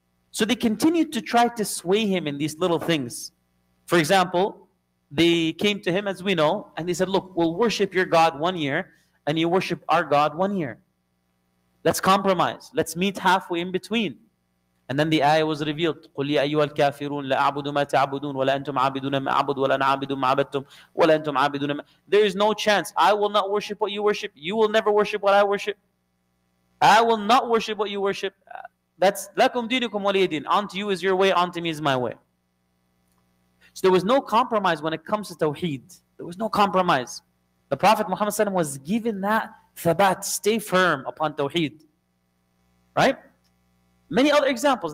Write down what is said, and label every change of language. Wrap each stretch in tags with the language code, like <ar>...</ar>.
<en>So they continued to try to sway him in these little things. For example, they came to him, as we know, and they said, look, we'll worship your God 1 year, and you worship our God 1 year. Let's compromise. Let's meet halfway in between. And then the ayah was revealed.</en> <ar>قُلْ يَا أَيُّهَا الْكَافِرُونَ لَأَعْبُدُ مَا تَعْبُدُونَ وَلَا أَنْتُمْ عَابِدُونَ مَا أَعْبُدُ وَلَا أَنَا عَابِدٌ مَا عَبَدْتُمْ وَلَا أَنْتُمْ عَابِدُونَ مَا</ar> <en>There is no chance. I will not worship what you worship. You will never worship what I worship. I will not worship what you worship. That's</en> <ar>لَكُمْ دِينُكُمْ وَلِيَدِينَ</ar> <en>Onto you is your way, onto me is my way. So there was no compromise when it comes to tawheed. There was no compromise. The Prophet Muhammad ﷺ was given that thabat, stay firm upon tawheed. Right? Many other examples.</en>